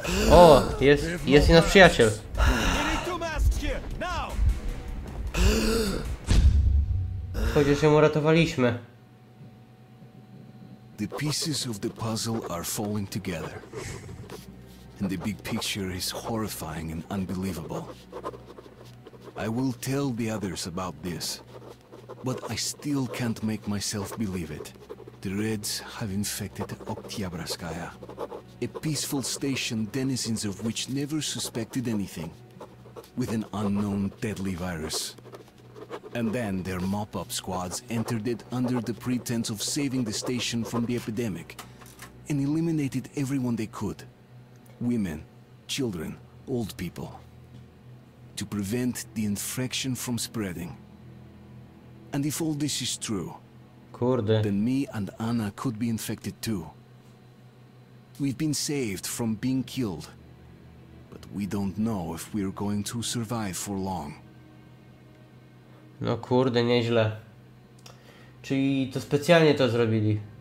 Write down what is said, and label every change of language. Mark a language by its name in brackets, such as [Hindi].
[Polish] O, jest i nasz przyjaciel. Chociaż ją uratowaliśmy. [English] The pieces of the puzzle are falling together. And the big picture is horrifying and unbelievable. I will tell the others about this, but I still can't make myself believe it. The Reds have infected Oktyabrskaya, a peaceful station denizens of which never suspected anything, with an unknown deadly virus. And then their mop-up squads entered it under the pretense of saving the station from the epidemic, and eliminated everyone they could. Women, children, old people. To prevent the infection from spreading. And if all this is true, [Polish] kurde, [English] then me and Anna could be infected too. We've been saved from being killed, but we don't know if we're going to survive for long. [Polish] No kurde, nieźle. Czyli to specjalnie to zrobili.